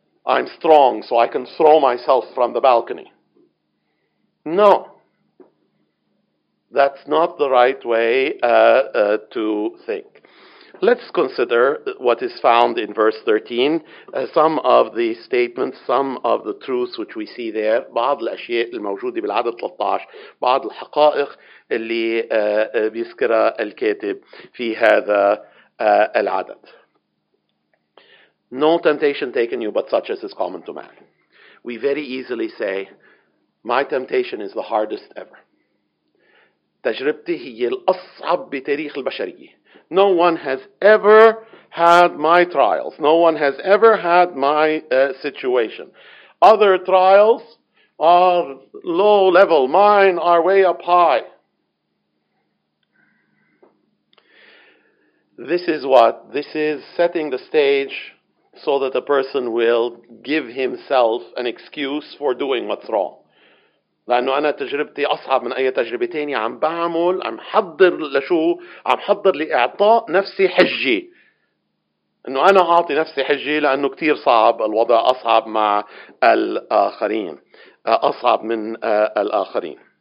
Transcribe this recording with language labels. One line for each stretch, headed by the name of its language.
English: I'm strong, so I can throw myself from the balcony. No. That's not the right way to think. Let's consider what is found in verse 13. Some of the statements, some of the truths which we see there.
Arabic: بعض الأشياء الموجودة بالعدد 13. بعض الحقائق اللي بيذكرها الكاتب في هذا العدد.
English: No temptation taken you but such as is common to man. We very easily say, my temptation is the hardest ever.
Arabic: تجربتي هي الأصعب بتاريخ البشرية.
English: No one has ever had my trials. No one has ever had my situation. Other trials are low level. Mine are way up high. This is setting the stage so that a person will give himself an excuse for doing what's wrong.
Arabic: لأنه أنا تجربتي أصعب من أي تجربة تانية عم بعمل عم حضر لشو عم حضر لإعطاء نفسي حجة إنه أنا أعطي نفسي حجة لأنه كتير صعب الوضع أصعب مع الآخرين أصعب من الآخرين.